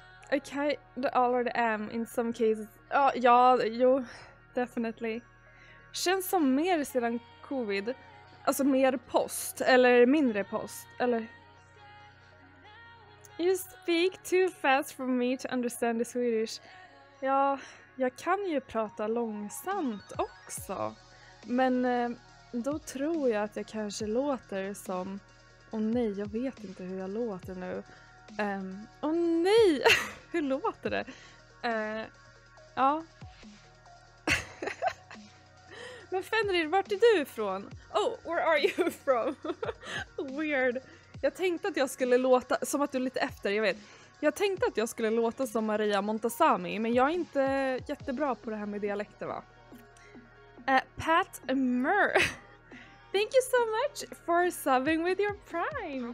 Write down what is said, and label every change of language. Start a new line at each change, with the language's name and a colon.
English: I kind of already am in some cases. Oh, yeah, you definitely.
Swedish: Känns som mer sedan covid. Alltså mer post eller mindre post eller?
English: You speak too fast for me to understand the Swedish.
Swedish: Ja, jag kan ju prata långsamt också. Men då tror jag att jag kanske låter som... Åh nej, jag vet inte hur jag låter nu. Åh nej, hur låter det? Ja. Men Fenrir, vart är du ifrån?
English: Oh, where are you from? Weird.
Swedish: Jag tänkte att jag skulle låta som att du är lite efter, jag vet. Jag tänkte att jag skulle låta som Maria Montazami, men jag är inte jättebra på det här med dialekter, va? Pat Murr.
English: Thank you so much for subbing with your Prime.